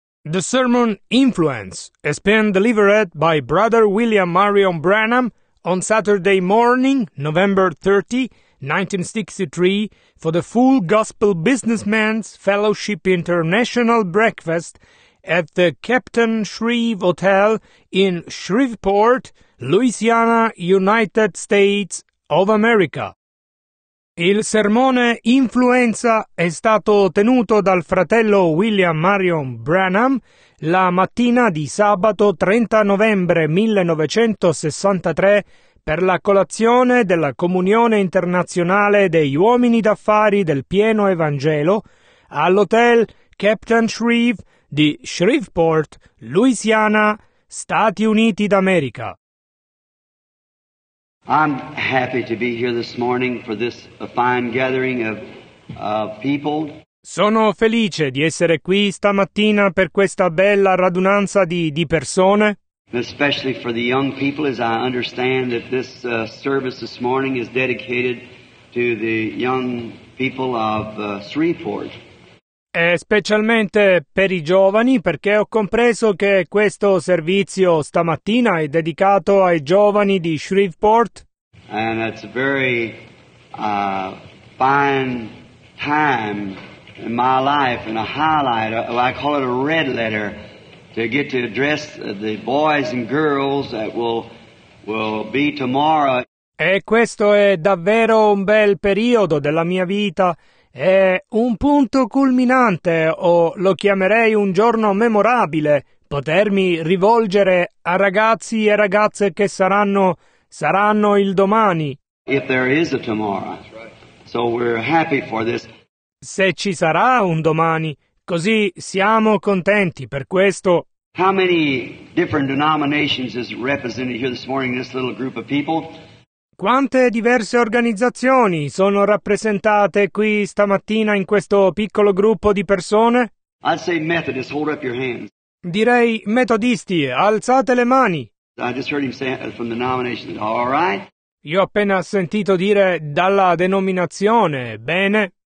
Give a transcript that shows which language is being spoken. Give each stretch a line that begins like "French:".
English: The sermon Influence is being delivered by Brother William Marion Branham on Saturday morning, November 30, 1963, for the Full Gospel Businessmen's Fellowship International Breakfast at the Captain Shreve Hotel in Shreveport, Louisiana, United States of America.
Italian: Il sermone Influenza è stato tenuto dal fratello William Marion Branham la mattina di sabato 30 novembre 1963 per la colazione della Comunione Internazionale degli Uomini d'Affari del Pieno Evangelo all'Hotel Captain Shreve di Shreveport, Louisiana, Stati Uniti d'America.
English: I'm happy to be here this morning for this fine gathering of people.
Italian: Sono felice di essere qui stamattina per questa bella radunanza di persone.
English: Especially for the young people, as I understand that this service this morning is dedicated to the young people of Shreveport.
Italian: E specialmente per i giovani, perché ho compreso che questo servizio stamattina è dedicato ai giovani di Shreveport.
English: And it's a very fine time in my life, and a highlight, I call it a red letter, to get to address the boys and girls that will be tomorrow.
Italian: E questo è davvero un bel periodo della mia vita. È un punto culminante, o lo chiamerei un giorno memorabile, potermi rivolgere a ragazzi e ragazze che saranno il domani.
English: If there is a tomorrow, so we're happy for this.
Italian: Se ci sarà un domani, così siamo contenti per questo.
English: How many different denominations is represented here this morning, this little group of people?
Italian: Quante diverse organizzazioni sono rappresentate qui stamattina in questo piccolo gruppo di persone?
English: I'd say Methodists, hold up your hands.
Italian: Direi metodisti, alzate le mani.
English: I just heard him say from the nomination, all right.
Italian: Io ho appena sentito dire dalla denominazione, bene.